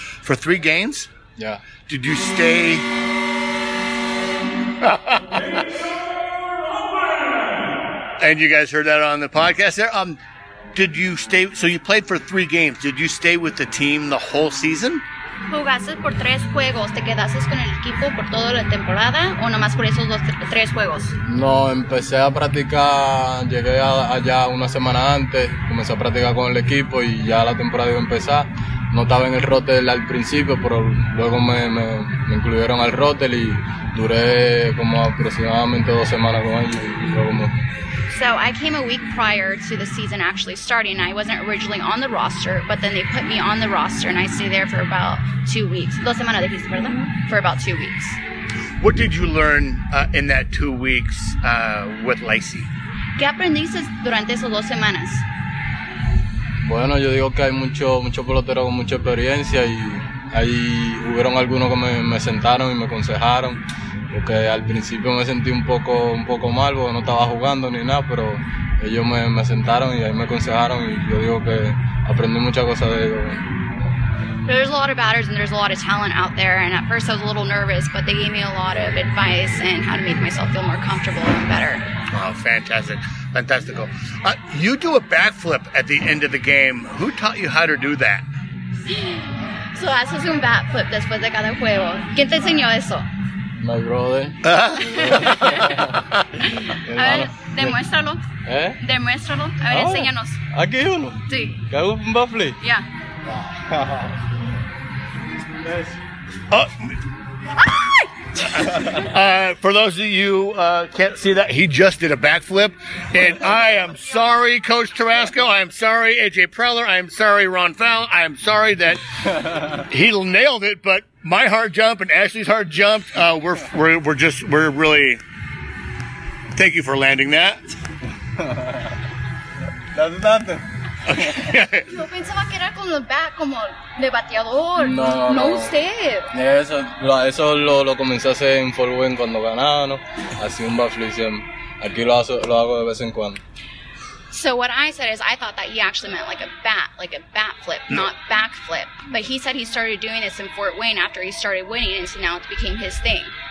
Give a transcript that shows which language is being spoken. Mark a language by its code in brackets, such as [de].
[en] For 3 games? Yeah. Did you stay? And you guys heard that on the podcast there. Did you stay? So you played for 3 games. Did you stay with the team the whole season? [es] Jugaste por 3 juegos. ¿Te quedaste con el equipo por toda la temporada o nomás por esos 3 juegos? No, empecé a practicar, llegué allá una semana antes, comencé a practicar con el equipo y ya la temporada iba a empezar. no estaba en el roster al principio, pero luego me incluyeron al roster y duré como aproximadamente 2 semanas con ellos y luego me... [en] So I came a week prior to the season actually starting. I wasn't originally on the roster, but then they put me on the roster and I stayed there for about 2 weeks. [es] Dos semanas dijiste, ¿verdad? [en] For about 2 weeks. What did you learn in that 2 weeks with Lacey? [es] ¿Qué aprendiste durante esas dos semanas? Bueno, yo digo que hay mucho pelotero con mucha experiencia y ahí hubieron algunos que me sentaron y me aconsejaron. Porque al principio me sentí un poco mal porque no estaba jugando ni nada, pero ellos me sentaron y ahí me aconsejaron y yo digo que aprendí muchas cosas de ellos. [en] There's a lot of batters and there's a lot of talent out there, and at first I was a little nervous, but they gave me a lot of advice and how to make myself feel more comfortable and better. Oh, fantastic. Fantastico. You do a backflip at the end of the game. Who taught you how to do that? [es] So eso es un backflip después de cada juego. ¿Quién te enseñó eso? [en] My brother. [es] A ver, demuéstralo. ¿Eh? Demuéstralo. A ver, enséñanos. ¿Aquí uno? Sí. ¿Que hago un backflip? Ya. [en] For those of you can't see that, he just did a backflip. And I am sorry, Coach Tarasco. I am sorry, AJ Preller. I am sorry, Ron Fowle. I am sorry that he nailed it, but my heart jumped and Ashley's heart jumped. We're really, thank you for landing that. That's nothing. [es] Yo pensaba que era con el bat como de bateador. No, usted. Eso lo comencé a hacer en Fort Wayne cuando ganaba, ¿no? Así un backflip siempre. Aquí lo hago de vez en cuando. [en] So what I said is I thought that he actually meant like a bat flip, no. Not backflip. But he said he started doing this in Fort Wayne after he started winning, and so now it became his thing.